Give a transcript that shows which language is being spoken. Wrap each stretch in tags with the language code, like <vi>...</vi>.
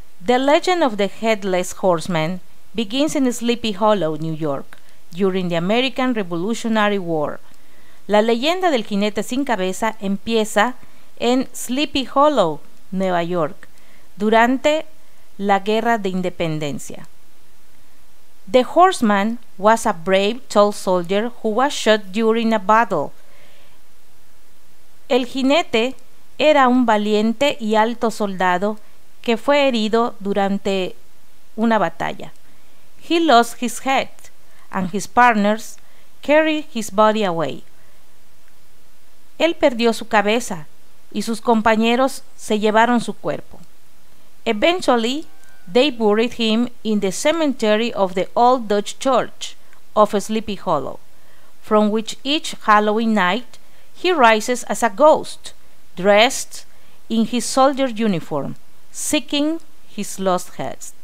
<en>The legend of the Headless Horseman begins in Sleepy Hollow, New York, during the American Revolutionary War.</en> <es>La leyenda del jinete sin cabeza empieza en Sleepy Hollow, Nueva York, durante la Guerra de Independencia.</es> <en>The horseman was a brave, tall soldier who was shot during a battle.</en> <es>El jinete era un valiente y alto soldado que fue herido durante una batalla.</es> <en>He lost his head and his partners carry his body away.</en> <es>Él perdió su cabeza y sus compañeros se llevaron su cuerpo.</es> <en>Eventually, they buried him in the cemetery of the old Dutch church of Sleepy Hollow, from which each Halloween night he rises as a ghost, dressed in his soldier uniform, seeking his lost head.</en>